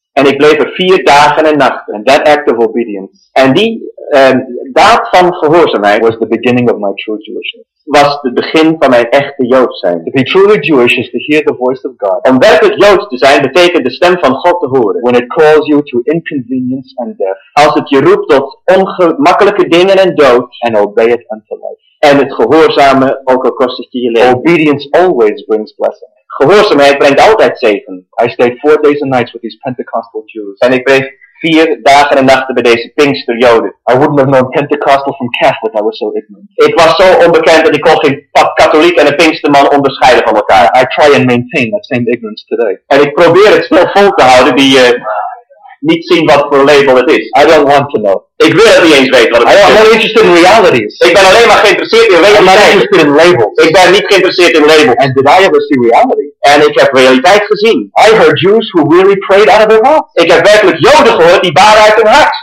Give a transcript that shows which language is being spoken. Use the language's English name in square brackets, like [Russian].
[Dutch] En ik bleef er 4 dagen en nachten. [English] And that act of obedience. [Dutch] En die daad van gehoorzaamheid [English] was the beginning of my true Jewishness. [Dutch] Was het begin van mijn echte Jood zijn. [English] To be truly Jewish is to hear the voice of God. [Dutch] Om werkelijk Joods te zijn betekent de stem van God te horen. [English] When it calls you to inconvenience and death. [Dutch] Als het je roept tot ongemakkelijke dingen en dood. [English] And obey it unto life. [Dutch] En het gehoorzamen ook al kost het je leven. [English] Obedience always brings blessing. [Dutch] Gehoorzaamheid brengt altijd zegen. [English] I stayed 4 days and nights with these Pentecostal Jews. [Dutch] En ik bleef 4 dagen en nachten bij deze Pinkster Joden. [English] I wouldn't have known Pentecostal from Catholic, I was so ignorant. [Dutch] Ik was zo onbekend dat ik kon geen katholiek en een Pinksterman onderscheiden van elkaar. [English] I try and maintain that same ignorance today. [Dutch] En ik probeer het snel vol te houden die niet zien wat voor label het is. [English] I don't want to know. [Dutch] Ik wil het niet eens weten wat het is. [English] I'm not interested in realities. [Dutch] Ik ben alleen maar geïnteresseerd in realiteit. [English] I'm not interested in labels. [Dutch] Ik ben niet geïnteresseerd in labels. [English] And did I ever see reality? [Dutch] En ik heb realiteit gezien. [English] I heard Jews who really prayed out of their hearts. [Dutch] Ik heb werkelijk Joden gehoord die baden uit hun hart.